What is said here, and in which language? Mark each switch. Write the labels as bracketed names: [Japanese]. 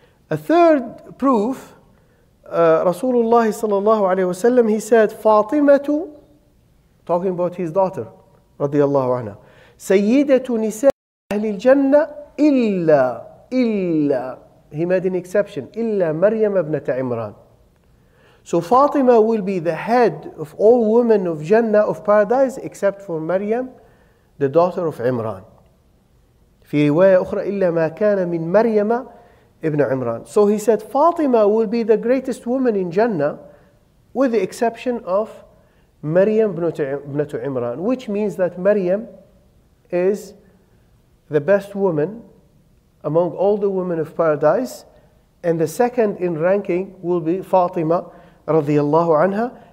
[English] A third proof, Rasulullah sallallahu alayhi wasallam, he said, Fatima, talking about his daughter, radiyallahu anha, [Arabic] سيدة نساء أهل الجنة إلا [English] he made an exception, [Arabic] إلا مريم ابنة عمران. [English] So Fatima will be the head of all women of Jannah, of paradise, except for Maryam, the daughter of Imran. [Arabic] في رواية أخرى إلا ما كان من مريم ابن عمران. [English] So he said Fatima will be the greatest woman in Jannah with the exception of Maryam [Arabic] ابنة عمران, [English] which means that Maryam is the best woman among all the women of paradise, and the second in ranking will be Fatima radiyallahu anha.